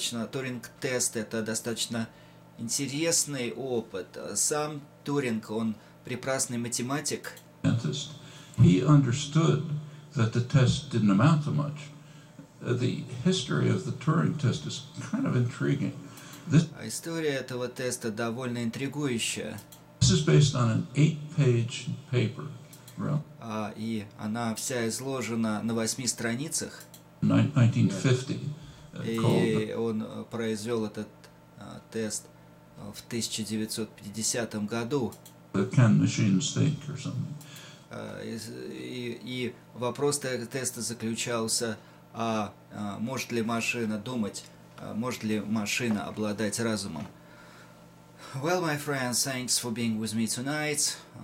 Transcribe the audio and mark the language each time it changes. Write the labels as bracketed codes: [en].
[ru] Туринг тест это достаточно интересный опыт. Сам Туринг, он прекрасный математик. [en] He understood that the test didn't amount to much. The history of the Turing test is kind of intriguing. [ru] История этого теста довольно интригующая. [en] This is based on an 8-page paper. [ru] И она вся изложена на 8 страницах. [en] 1950. [ru] И он произвел этот тест в 1950 году. [en] Can machines think or something? [ru] И вопрос теста заключался, может ли машина думать, может ли машина обладать разумом. [en] Well, my friends, thanks for being with me tonight.